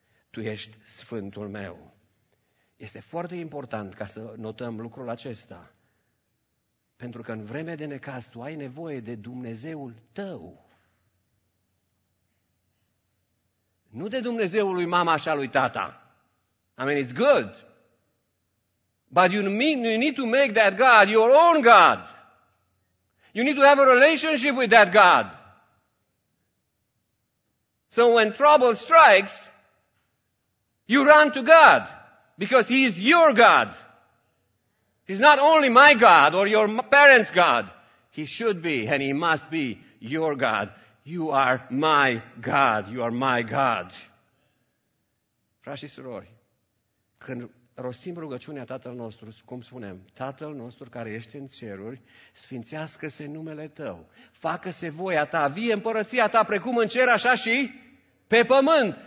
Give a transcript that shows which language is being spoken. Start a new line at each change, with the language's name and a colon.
Romanian: Tu ești Sfântul meu. Este foarte important ca să notăm lucrul acesta. Pentru că în vreme de necaz tu ai nevoie de Dumnezeul tău. Nu de Dumnezeul lui mama și a lui tata.
English: I mean, it's good. But you need to make that God your own God. You need to have a relationship with that God. So when trouble strikes, you run to God. Because he is your God. He's not only my God or your parents' God. He should be and he must be your God. You are my God. You are my God.
Romanian: Frați și surori, când rostim rugăciunea Tatăl nostru, cum spunem, Tatăl nostru care ești în ceruri, sfințească-se numele tău, facă-se voia ta, vie împărăția ta precum în cer, așa și pe pământ.